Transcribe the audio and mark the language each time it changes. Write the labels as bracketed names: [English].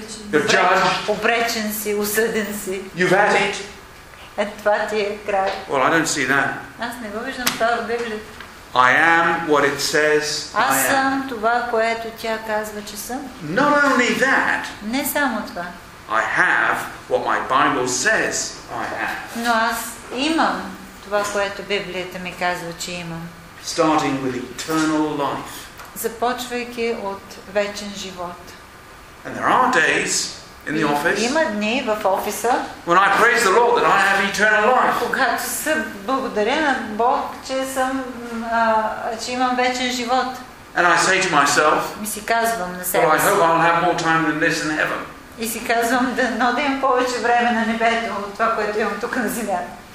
[English] You're judged. [Bulgarian] Обречен си, осъден си. [English] You've had it. [Bulgarian] Това ти е край. [English] Well, I don't see that. [Bulgarian] Аз не го виждам това в Библията. [English] I am what it says I am. [Bulgarian] Аз съм това, което тя казва, че съм. [English] Not only that. [Bulgarian] Не само това. [English] I have what my Bible says I have. [Bulgarian] Но аз имам това, което Библията ми казва, че имам. [English] Starting with eternal life. [Bulgarian] Започвайки от вечен живот. [English] And there are days in the office. [Bulgarian] Има дни в офиса. [English] When I praise the Lord that I have eternal life. [Bulgarian] Когато се благодаря на Бог, че съм че имам вечен живот. [English] And I say to myself. [Bulgarian] Ми си казвам на себе си. [English] Well, I hope I'll have more time than this in heaven. [Bulgarian] И си казвам да имам повече време на небето от това, което имам тук на земята.